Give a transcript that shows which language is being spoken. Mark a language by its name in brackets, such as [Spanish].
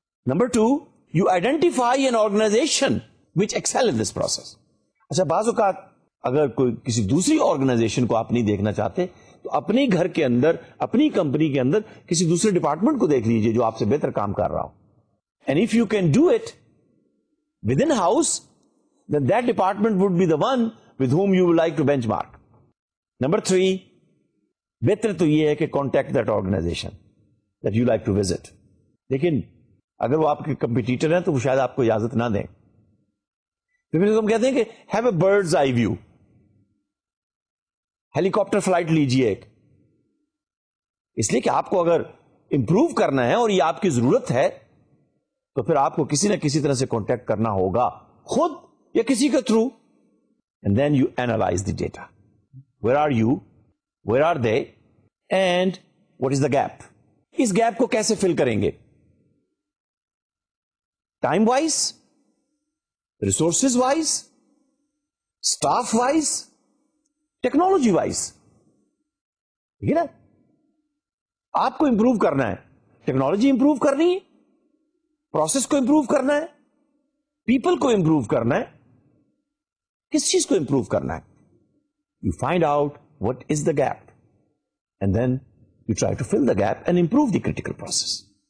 [English] number 2, you identify an organization which excel in this process. [Urdu] acha bazooka اگر کوئی کسی دوسری آرگنائزیشن کو آپ نہیں دیکھنا چاہتے تو اپنے گھر کے اندر, اپنی کمپنی کے اندر کسی دوسرے ڈپارٹمنٹ کو دیکھ لیجئے جو آپ سے بہتر کام کر رہا ہو. [English] And if you can do it with in house, then that department would be the one with whom you would like to benchmark. [Urdu] Number 3, بہتر تو یہ ہے کہ [English] Contact that organization that you like to visit. [Urdu] لیکن اگر وہ آپ کے کمپیٹیٹر ہیں تو وہ شاید آپ کو اجازت نہ دیں. ہم کہتے ہیں کہ [English] have a bird's eye view, [Urdu] Halley copter flight لیجیے ایک. اس لیے کہ آپ کو اگر امپروو کرنا ہے اور یہ آپ کی ضرورت ہے تو پھر آپ کو کسی نہ کسی طرح سے کانٹیکٹ کرنا ہوگا, خود یا کسی کے through. [English] And then you analyze the data, where are you, where are they, and what is the gap. [Urdu] اس gap کو کیسے فل کریں گے؟ Time wise, resources wise, staff wise, technology wise. ٹھیک ہے نا, آپ کو امپروو کرنا ہے, ٹیکنالوجی امپروو کرنی ہے, پروسیس کو امپروو کرنا ہے, پیپل کو امپروو کرنا ہے, کس چیز کو امپروو کرنا ہے؟ [English] You find out what is the gap and then you try to fill the gap and improve the critical process.